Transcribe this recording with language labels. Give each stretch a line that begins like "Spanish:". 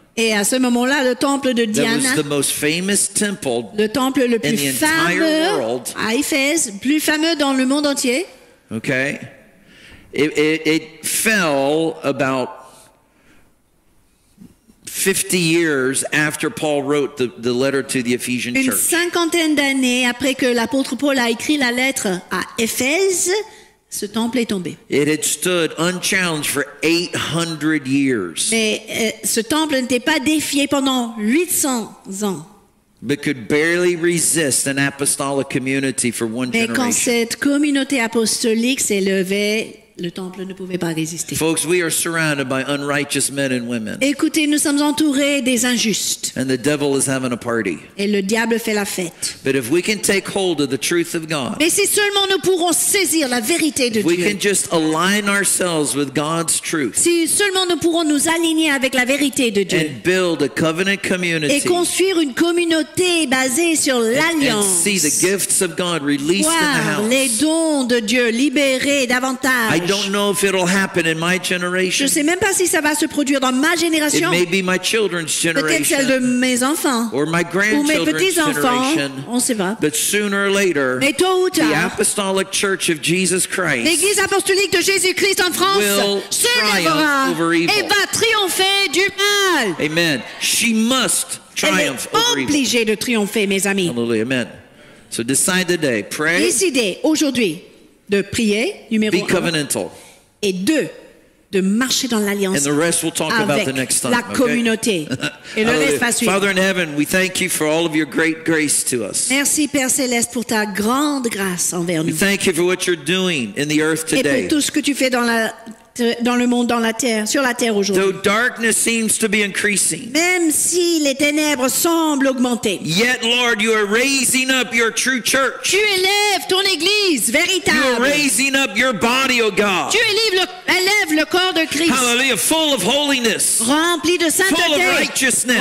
French: Et à ce moment-là, le temple de Diana,
English: that was the most famous temple,
French: le temple le plus fameux à Éphèse, plus fameux dans le monde entier.
English: Okay, it fell about 50 years after Paul wrote the letter to the Ephesian church.
French: Une cinquantaine d'années après que l'apôtre Paul a écrit la lettre à Éphèse, ce temple est tombé.
English: It had stood unchallenged for 800 years.
French: Mais ce temple n'était pas défié pendant 800 ans.
English: But could barely resist an apostolic community for one generation.
French: Mais quand cette communauté apostolique s'est levée, le temple ne pouvait pas résister.
English: Folks, we are surrounded by unrighteous men and women.
French: Écoutez, nous sommes entourés des injustes.
English: And the devil is having a party.
French: Et le diable fait la fête.
English: But if we can take hold of the truth of God.
French: Mais si seulement nous pourrons saisir la vérité de
English: If we can just align ourselves with God's truth.
French: Si seulement nous pourrons nous aligner avec la vérité de Dieu.
English: And build a covenant community.
French: Et construire une communauté basée sur l'alliance.
English: And see the gifts of God released in the house.
French: Les dons de Dieu libérés davantage.
English: I don't know if it'll happen in my generation.
French: Je sais même pas si ça va se produire dans ma génération.
English: It may be my children's generation.
French: Peut-être celle de mes enfants.
English: Or my grandchildren's
French: ou mes petits-enfants.
English: Generation.
French: On sait pas.
English: But sooner or later,
French: mais tôt ou tard,
English: the Apostolic Church of Jesus Christ,
French: l'Église apostolique de Jésus-Christ en France,
English: will triumph over evil.
French: Et va triompher du mal.
English: Amen. She must triumph over evil.
French: Elle est obligée de triompher, mes amis.
English: Hallelujah. Amen. So decide today. Pray.
French: Décidez aujourd'hui. De prier, numéro
English: be
French: un.
English: Covenantal.
French: Et deux, de marcher dans l'alliance avec la communauté. Et le reste va suivre.
English: Father in heaven, we thank you for all of your great grace to us.
French: Merci Père Céleste pour ta grande grâce envers nous.
English: We thank you for what you're doing in the earth today.
French: Et pour tout ce que tu fais dans le monde, dans la terre, sur la terre aujourd'hui.
English: Though darkness seems to be increasing.
French: Même si les ténèbres semblent augmenter.
English: Yet, Lord, you are raising up your true church.
French: Tu élèves ton église véritable.
English: You are raising up your body, oh God.
French: Tu élèves le corps de Christ.
English: Hallelujah, full of holiness.
French: Rempli de sainteté.
English: Full of righteousness.